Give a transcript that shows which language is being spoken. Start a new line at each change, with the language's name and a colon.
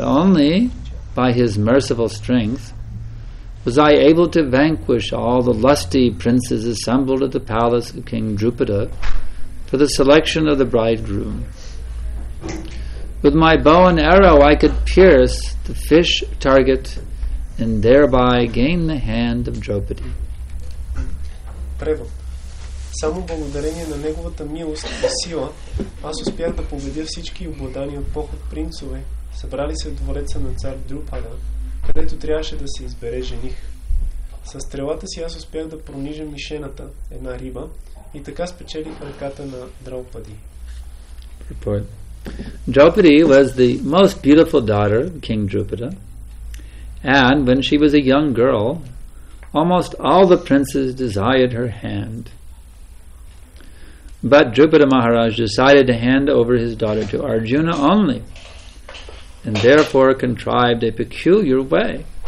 English: Only by his merciful strength was I able to vanquish all the lusty princes assembled at the palace of King Drupada for the selection of the bridegroom. With my bow and arrow I could pierce the fish target and thereby gain the hand of Draupadi.
Bulgarian: Превод. Само благодарение на неговата милост и сила аз успях да победя всички обладани от поход принцове, събрали се в двореца на цар Друпада, където трябваше да се избере жених. Със стрелата си аз успях да пронижа мишената, една риба, и така спечелих ръката на Драупади.
English: Draupadi was the most beautiful daughter of King Drupada, and when she was a young girl, almost all the princes desired her hand. But Drupada Maharaj decided to hand over his daughter to Arjuna only, and therefore contrived a peculiar way.